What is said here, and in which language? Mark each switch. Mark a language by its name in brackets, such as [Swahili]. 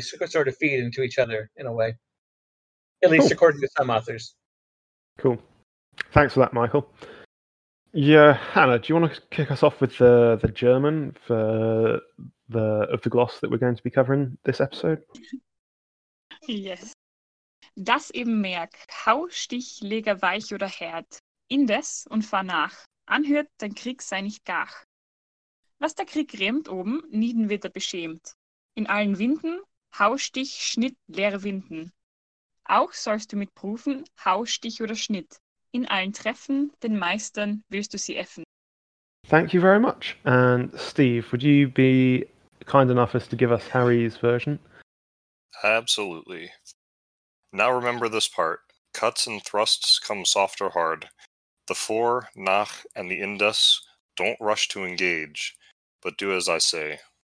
[English] They sort of feed into each other in a way, at least according to some authors. Cool. Thanks for that, Michael. Yeah, Hannah, do you want to kick us off with the German for the gloss that we're going to be covering this episode? Yes. [German] Das im Merk, hau, stich, lege weich oder härt, indes und fahr nach, anhört, dein Krieg sei nicht gach. Was der Krieg grämt oben, nieden wird er beschämt. In allen Winden, hau, stich, schnitt, leere Winden. Auch sollst du mit prüfen, hau, stich oder schnitt. In allen Treffen, den Meistern, willst du sie effen. [English] Thank you very much. And Steve, would you be kind enough as to give us Harry's version? Absolutely. Now remember this part. Cuts and thrusts come soft or hard. The fore, nach, and the indes don't rush to engage, but do as I say.